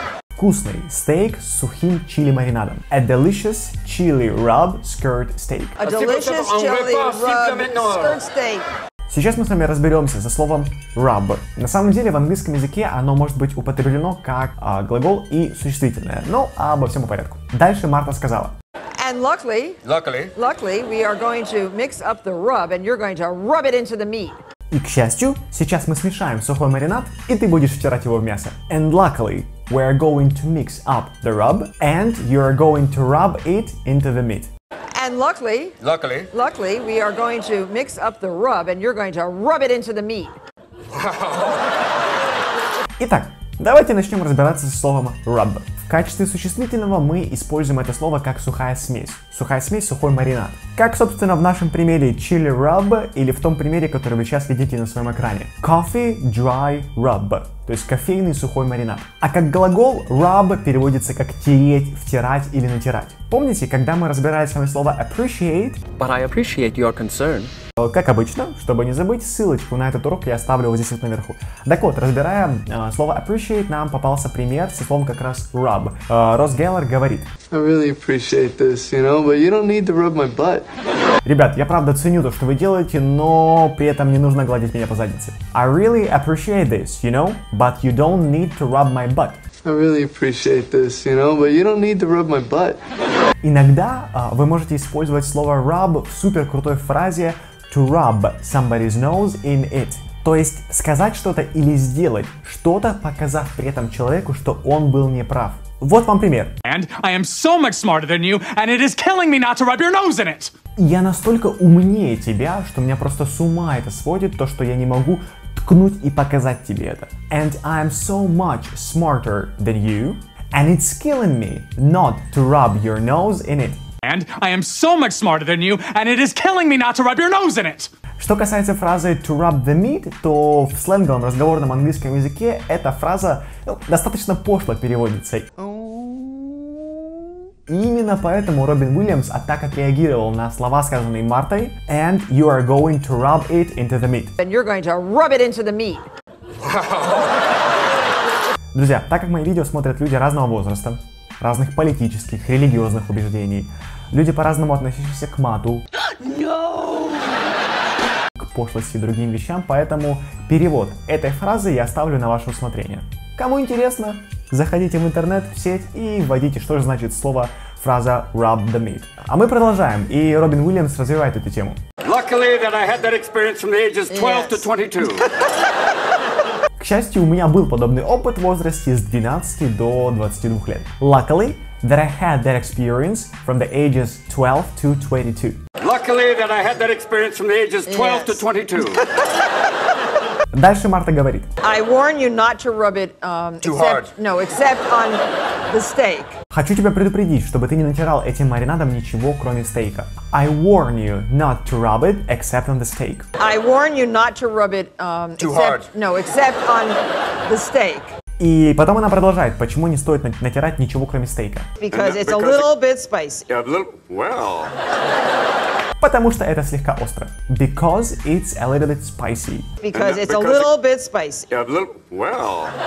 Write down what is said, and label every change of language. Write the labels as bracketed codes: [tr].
[ru] Вкусный стейк с сухим чили маринадом. [en] A delicious chili rub skirt steak. A delicious chili rub skirt steak. [ru] Сейчас мы с вами разберемся со словом rub. На самом деле в английском языке оно может быть употреблено как глагол и существительное. Но обо всем по порядку. Дальше Марта сказала. [en] And luckily, we are going to mix up the rub, and you're going to rub it into the meat. [ru] И к счастью, сейчас мы смешаем сухой маринад, и ты будешь втирать его в мясо. [en] And luckily, we are going to mix up the rub, and you're going to rub it into the meat. And luckily, we are going to mix up the rub, and you're going to rub it into the meat. Wow. [ru] Итак. Давайте начнем разбираться со словом rub. В качестве существительного мы используем это слово как сухая смесь. Сухая смесь, сухой маринад. Как, собственно, в нашем примере chili rub или в том примере, который вы сейчас видите на своем экране. [en] Coffee dry rub, [ru] то есть кофейный сухой маринад. А как глагол rub переводится как тереть, втирать или натирать. Помните, когда мы разбирали с вами слово appreciate? [en] But I appreciate your concern. [ru] Как обычно, чтобы не забыть, ссылочку на этот урок я оставлю вот здесь вот наверху. Так вот, разбирая слово appreciate, нам попался пример с словом как раз rub. Росс Геллер говорит. [en] I really appreciate this, you know, but you don't need to rub my butt. [ru] Ребят, я правда ценю то, что вы делаете, но при этом не нужно гладить меня по заднице. [en] I really appreciate this, you know, but you don't need to rub my butt. I really appreciate this, you know, but you don't need to rub my butt. [ru] Иногда вы можете использовать слово rub в супер крутой фразе [en] to rub somebody's nose in it. [ru] То есть сказать что-то или сделать что-то, показав при этом человеку, что он был неправ. Вот вам пример. [en] And I am so much smarter than you, and it is killing me not to rub your nose in it. [ru] Я настолько умнее тебя, что меня просто с ума это сводит, то, что я не могу ткнуть и показать тебе это. [en] And I am so much smarter than you, and it's killing me not to rub your nose in it. And I am so much smarter than you, and it is killing me not to rub your nose in it. [ru] Что касается фразы [en] to rub the meat, [ru] то в сленговом разговорном английском языке эта фраза достаточно пошло переводится. И именно поэтому Робин Уильямс так отреагировал на слова, сказанные Мартой. [en] And you are going to rub it into the meat. And you're going to rub it into the meat. Wow. [ru] Друзья, так как мои видео смотрят люди разного возраста, разных политических, религиозных убеждений, люди по-разному относящиеся к мату, [en] no! [ru] к пошлости и другим вещам, поэтому перевод этой фразы я оставлю на ваше усмотрение. Кому интересно, заходите в интернет, в сеть и вводите, что же значит слово, фраза [en] rub the meat. [ru] А мы продолжаем, и Робин Уильямс развивает эту тему. [en] Luckily that I had that experience from the ages 12 to 22. [ru] К счастью, у меня был подобный опыт в возрасте с 12 до 22 лет. [en] Luckily that I had that experience from the ages 12 to 22. Luckily that I had that experience from the ages 12 to 22. [ru] Дальше Марта говорит. [en] I warn you not to rub it too hard. No, except on the steak. [ru] Хочу тебя предупредить, чтобы ты не натирал этим маринадом ничего, кроме стейка. [en] I warn you not to rub it except on the steak. I warn you not to rub it except on the steak. [ru] И потом она продолжает, почему не стоит натирать ничего, кроме стейка. [en] Because it's a little bit spicy. Yeah, a little, well. [ru] Потому что это слегка остро. [en] Because it's a little bit spicy. Because it's a little bit spicy. Yeah, a little, well.